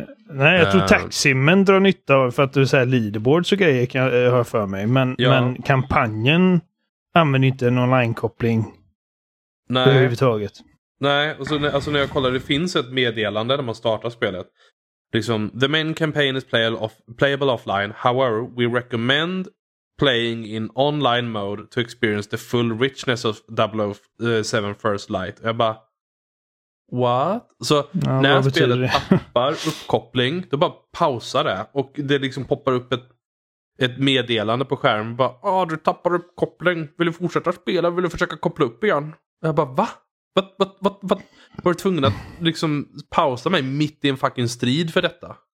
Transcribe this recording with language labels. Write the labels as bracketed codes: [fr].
[sv] Nej, jag tror taxi-men drar nytta av, för att du säger leaderboards och grejer kan jag höra för mig. Men, ja. Men kampanjen använder inte en online-koppling. Nej. Överhuvudtaget. Nej, alltså när jag kollar, det finns ett meddelande när man startar spelet. [en] Liksom, the main campaign is playable offline. However, we recommend playing in online mode to experience the full richness of 007 First Light. [sv] Jag bara, what? Så ja, när spelet tappar uppkoppling, då bara pausar det. Och det liksom poppar upp ett meddelande på skärmen. Bara, du tappar uppkoppling. Vill du fortsätta spela? Vill du försöka koppla upp igen? Jag bara, va? Vad var du tvungen att liksom pausa mig mitt i en fucking strid för detta?